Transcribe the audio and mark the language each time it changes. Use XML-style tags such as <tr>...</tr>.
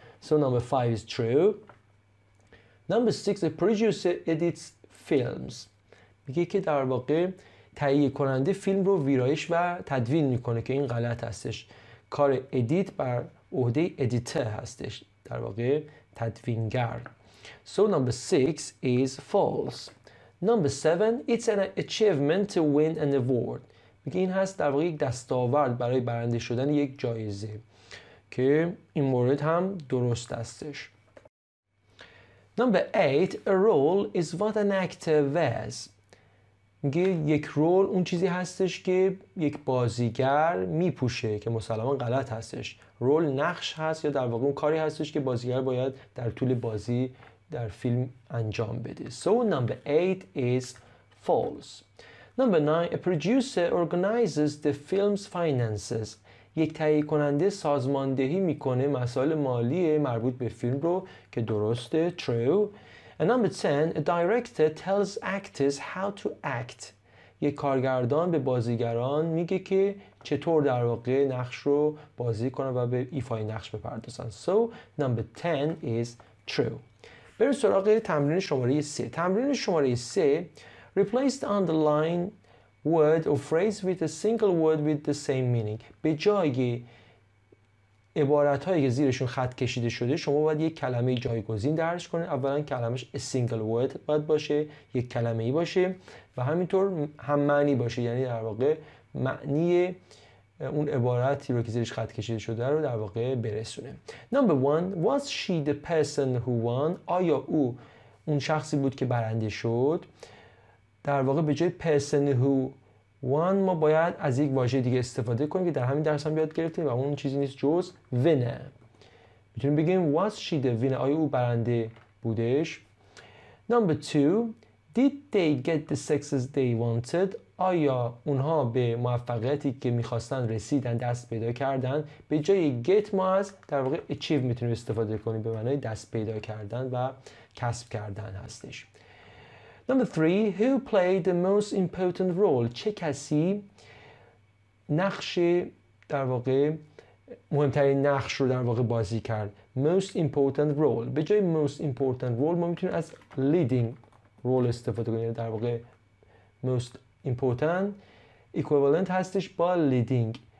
<en>So number five is true. Number six, a producer edits films.</en> <fa>میگه که در واقع تهیه کننده فیلم رو ویرایش و تدوین میکنه، که این غلط هستش. کار ادیت بر عهده ادیتر هستش، در واقع تدوینگر.</fa> <en>So number six is false. Number seven, it's an achievement to win an award.</en> <fa>میگه این هست در واقع یک دستاورد برای برنده شدن یک جایزه، که این مورد هم درست هستش.</fa> <en>Number eight, a role is what an actor wears.</en> <fa>میگه یک رول اون چیزی هستش که یک بازیگر میپوشه، که مسلمان غلط هستش. رول نقش هست، یا در واقع اون کاری هستش که بازیگر باید در طول بازی در فیلم انجام بده.</fa> <en>So number eight is false. Number nine, a producer organizes the film's finances.</en> <fa>یک تهیه کننده سازماندهی میکنه مسائل مالی مربوط به فیلم رو، که درسته،</fa> <en>true. And number 10, a director tells actors how to act.</en> <fa>یک کارگردان به بازیگران میگه که چطور در واقع نقش رو بازی کنن و به ایفای نقش بپردازن.</fa> <en>So number 10 is true.</en> <fa>بریم سراغ تمرین شماره 3. تمرین شماره 3,</fa> <en>replace the underlined word or phrase with a single word with the same meaning.</en> <fa>به جای عبارت هایی که زیرشون خط کشیده شده، شما باید یک کلمه جایگزین درج کنید. اولا کلمش</fa> <en>a single word</en> <fa>باید باشه، یک کلمه ای باشه، و همینطور هم معنی باشه، یعنی در واقع معنی اون عبارتی رو که زیرش خط کشیده شده رو در واقع برسونه.</fa> <en>Number one, was she the person who won?</en> <fa>آیا او اون شخصی بود که برنده شد؟ در واقع به جای person who وان ما باید از یک واژه دیگه استفاده کنیم که در همین درس هم یاد گرفتیم، و اون چیزی نیست جز وینر. میتونیم بگیم</fa> <en>was she the winner,</en> <fa>آیا او برنده بودش. نمبر 2،</fa> <en>did they get the success they wanted,</en> <fa>آیا اونها به موفقیتی که میخواستن رسیدن، دست پیدا کردن. به جای گت ما از در واقع اچیو میتونیم استفاده کنیم، به معنای دست پیدا کردن و کسب کردن هستش.</fa> <en>Number three, who played the most important role?</en> <fa>چه کسی نقش در واقع مهمترین نقش رو در واقع بازی کرد؟</fa> <en>Most important role.</en> <fa>به جای</fa> <en>most important role</en> <fa>ما میتونیم از leading role استفاده کنیم. در واقع</fa> <en>most important</en> <fa>equivalent هستش با leading.</fa>